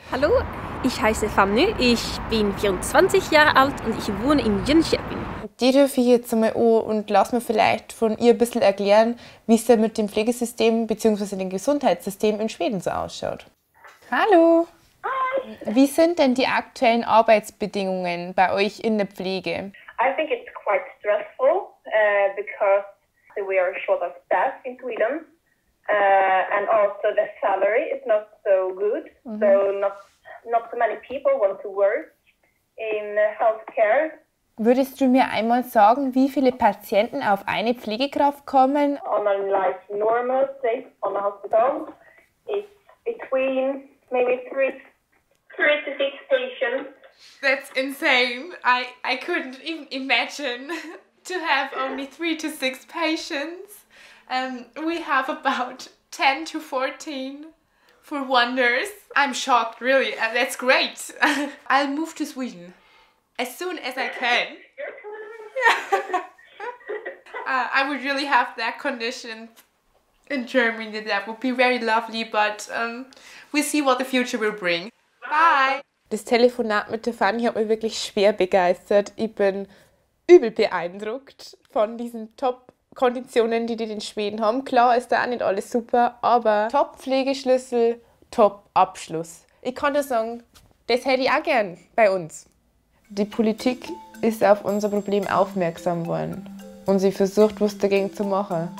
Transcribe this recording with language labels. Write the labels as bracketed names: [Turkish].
[German] Hallo, ich heiße Fanny, ich bin 24 Jahre alt und ich wohne in Jönköping. Die dürfe ich jetzt einmal an und lass mir vielleicht von ihr ein bisschen erklären, wie es mit dem Pflegesystem bzw. dem Gesundheitssystem in Schweden so ausschaut. Hallo. Hi. Wie sind denn die aktuellen Arbeitsbedingungen bei euch in der Pflege? [English] I think it's quite stressful because we are short of staff in Sweden, and also the salary is not so good. Mm-hmm. So not so many people want to work in healthcare. [German] Würdest du mir einmal sagen, wie viele Patienten auf eine Pflegekraft kommen? [English] On a like normal day on a hospital, it's between maybe 3 to 6 patients. That's insane. I couldn't even imagine to have only 3 to 6 patients. We have about 10 to 14 for one nurse. I'm shocked, really. That's great. I'll move to Sweden as soon as I can. I would really have that condition in Germany. That would be very lovely, but we'll see what the future will bring. Bye. [German] Das Telefonat mit der Fanny hat mich wirklich schwer begeistert. Ich bin übel beeindruckt von diesen Top-Konditionen, die in Schweden haben. Klar ist da auch nicht alles super, aber Top-Pflegeschlüssel, Top-Abschluss. Ich kann nur sagen, das hätte ich auch gern bei uns. Die Politik ist auf unser Problem aufmerksam geworden und sie versucht, was dagegen zu machen.